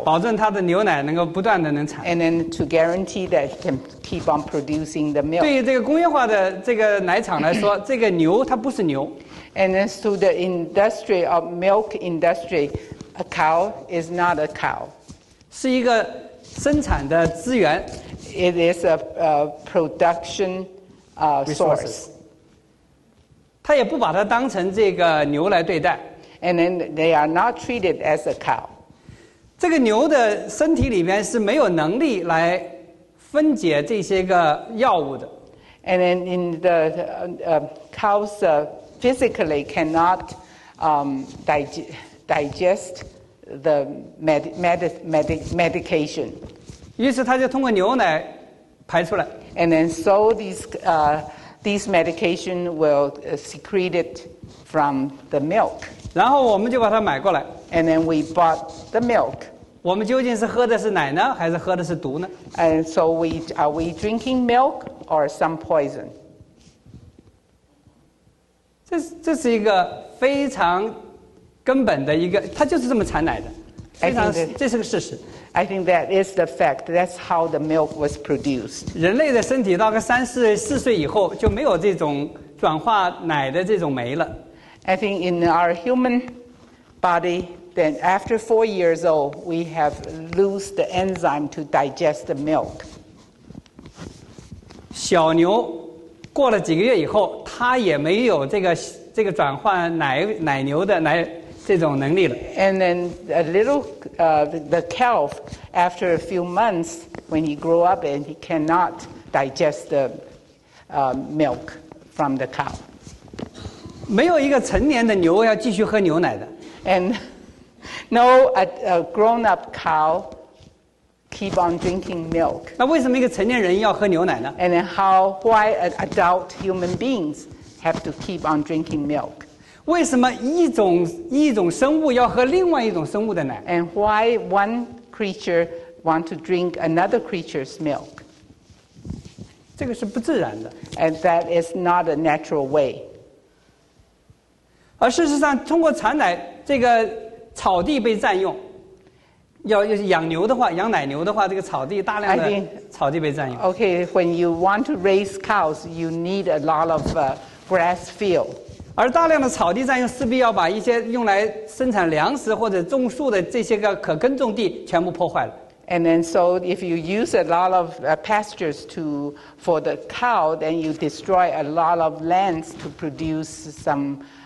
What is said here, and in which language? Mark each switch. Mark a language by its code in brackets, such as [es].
[zh] 保证他的牛奶能够不断的能产。 [en] And then to guarantee that he can keep on producing the milk. [zh] 对于这个工业化的这个奶厂来说，这个牛它不是牛。 [en] And then to the industry of milk industry, a cow is not a cow. [zh] 是一个生产的资源。 [en] It is a production source. [zh] 他也不把它当成这个牛来对待。 [en] And then they are not treated as a cow. [zh] 这个牛的身体里面是没有能力来分解这些个药物的。 [en] And then in the cows physically cannot digest. The medication. [zh] 于是他就通过牛奶排出来。 [en] And then so these medication will secreted from the milk. [zh] 然后我们就把它买过来。 [en] And then we bought the milk. [zh] 我们究竟是喝的是奶呢，还是喝的是毒呢 [en] ？And so are we drinking milk or some poison? [zh] 这是一个非常。根本的一个，它就是这么产奶的，非常 这是个事实。 [en] I think that is the fact. That's how the milk was produced. [zh] 人类的身体到个3-4岁以后就没有这种转化奶的这种酶了。 [en] I think in our human body, then after 4 years old, we have lost the enzyme to digest the milk. [zh] 小牛过了几个月以后，它也没有这个转换奶牛的奶这种能力了。 [en] And then a little, the calf, after a few months, when he grew up, and he cannot digest the, milk from the cow. [zh] 没有一个成年的牛要继续喝牛奶的。 [en] And no, a grown-up cow keep on drinking milk. [zh] 那为什么一个成年人要喝牛奶呢？ [en] And then why adult human beings have to keep on drinking milk? [zh] 为什么一种生物要喝另外一种生物的奶？ [en] And why one creature want to drink another creature's milk? [zh] 这个是不自然的。 [en] And that is not a natural way. [zh] 而事实上，通过产奶这个草地被占用，要养牛的话，养奶牛的话，这个草地大量的草地被占用。 [en] Okay, when you want to raise cows, you need a lot of grass field. [zh] 而大量的草地占用，势必要把一些用来生产粮食或者种树的这些个可耕种地全部破坏了。 [en] And then, so if you use a lot of pastures for the cow, then you destroy a lot of lands to produce some.